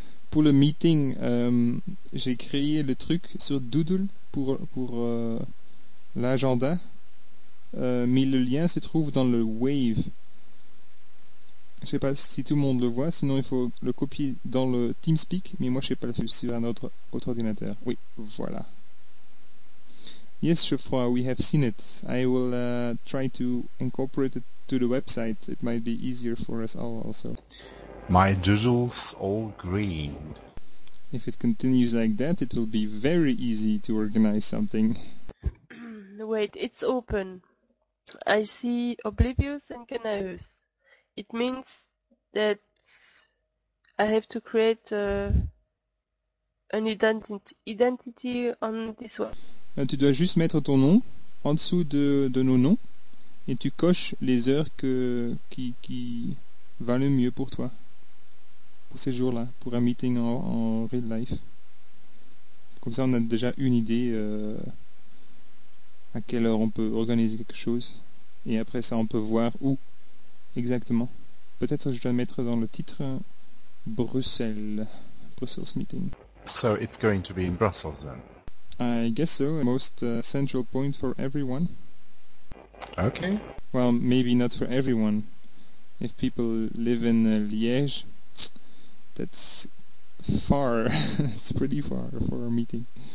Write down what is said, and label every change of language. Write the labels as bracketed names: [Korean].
[French] Pour le meeting, j'ai créé le truc sur Doodle pour l'agenda. Mais le lien se trouve dans le Wave. Je sais pas si tout le monde le voit, sinon il faut le copier dans le TeamSpeak. Mais moi, je sais pas si c'est un autre ordinateur. Oui, voilà. [English] Yes, Geoffroy, we have seen it. I will try to incorporate it to the website. It might be easier for us all also. My doodle's all green. If it continues like that, it will be very easy to organize something. Wait, it's open. I see Oblivious and Canaeus. It means that I have to create an identity on this one. [French] Tu dois juste mettre ton nom en dessous de nos noms et tu coches les heures qui valent le mieux pour toi, pour ces jours-là, pour un meeting en [English] real life. [French] Comme ça, on a déjà une idée à quelle heure on peut organiser quelque chose et après ça, on peut voir où exactement. Peut-être je dois mettre dans le titre Brussels meeting. [English] So it's going to be in Brussels then. I guess so. Most central point for everyone. Okay. Well, maybe not for everyone. If people live in Liège, that's far. It's pretty far for a meeting.